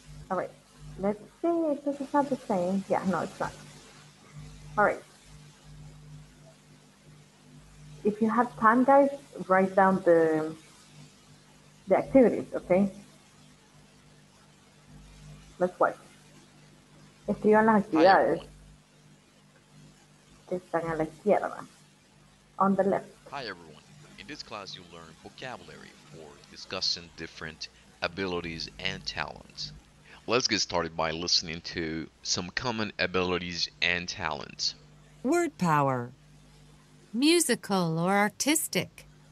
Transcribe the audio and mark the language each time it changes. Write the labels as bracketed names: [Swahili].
[English] All right, let's see if this is not the same. Yeah, no, it's not. All right. If you have time, guys, write down the activities, okay? Let's watch. [Spanish] Escriban las actividades. Están a la izquierda, [English] on the left. [Spanish] Hi everyone. In this class you learn vocabulary for discussing different abilities and talents. Let's get started by listening to some common abilities and talents. Word power. Musical or artistic.